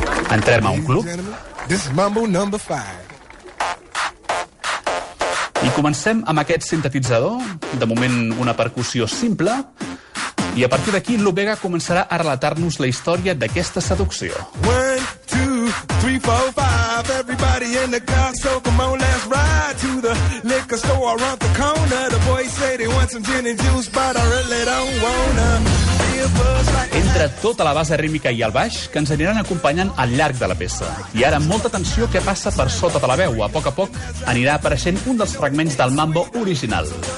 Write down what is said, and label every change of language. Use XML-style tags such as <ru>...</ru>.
<ca>Entrem a un club. This is Mambo No. 5. I comencem amb aquest sintetitzador, de moment una percussió simple. I a partir d'aquí, l'Ovega començarà a relatar-nos la història d'aquesta seducció.</ca> <en>1, 2, 3, 4, 5, everybody in the car, so come on, let's ride to the liquor store around the corner. The boys say they want some gin and juice, but I really don't wanna.</en> <ca>Entra tota la base rítmica i el baix, que ens aniran acompanyant al llarg de la peça. I ara, molta atenció que passa per sota de la veu. A poc anirà apareixent un dels fragments del Mambo original.</ca>